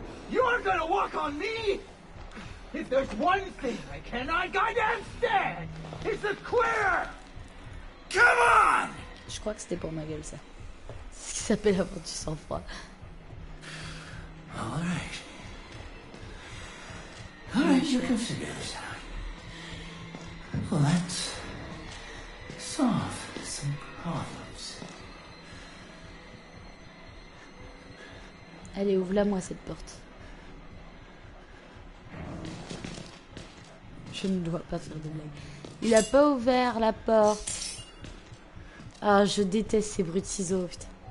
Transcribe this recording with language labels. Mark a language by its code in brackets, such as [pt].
[en] You aren't gonna walk on me? If there's one thing I cannot goddamn stand, it's the queer! Come on! [fr] Je crois que c'était pour ma gueule, ça. C'est ce qui s'appelle avoir du sang-froid. [en] All right. All right, you can figure this out. Let's solve some problems. [fr] Allez, ouvre-la-moi, cette porte. Je ne dois pas faire de blague. Il a pas ouvert la porte. Ah, je déteste ces bruits de ciseaux, putain.